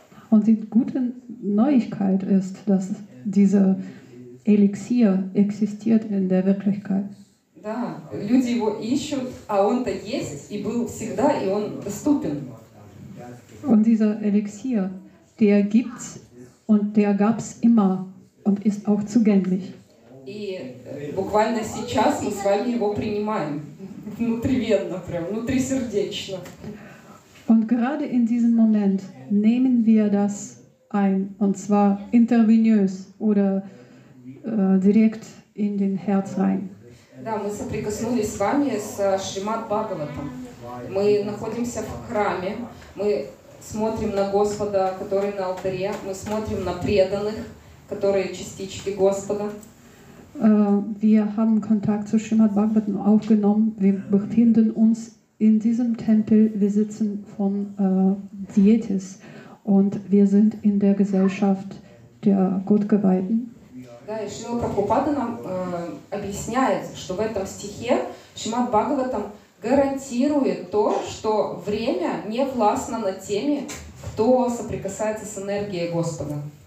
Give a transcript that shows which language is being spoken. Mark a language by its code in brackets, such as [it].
[de] Und die gute Neuigkeit ist, dass dieser Elixier existiert in der Wirklichkeit. [ru] Да, люди его ищут, а он-то есть и был всегда, и он доступен. [de] Und dieser Elixier, der gibt's und der gab's immer und ist auch zugänglich. [ru] И буквально сейчас мы с вами его принимаем внутривенно, прям внутрисердечно. [de] Und gerade in diesem Moment nehmen wir das ein, und zwar intravenös oder direkt in den Herz rein. [ru] Да, мы соприкоснулись с вами с Шримад Бхагаватом. Мы находимся в храме, мы смотрим на Господа, который на алтаре, мы смотрим на преданных, которые частички Господа. [de] Wir haben Kontakt zu Srimad Bhagavatam aufgenommen. Wir befinden uns in diesem Tempel. Wir sitzen von Dietis und wir sind in der Gesellschaft der Gottgeweihten. [ru] Да, и Шрила Прабхупада нам объясняет, что в этом стихе Шримад Бхагаватам гарантирует то, что время не властно над теми, кто соприкасается с энергией Господа.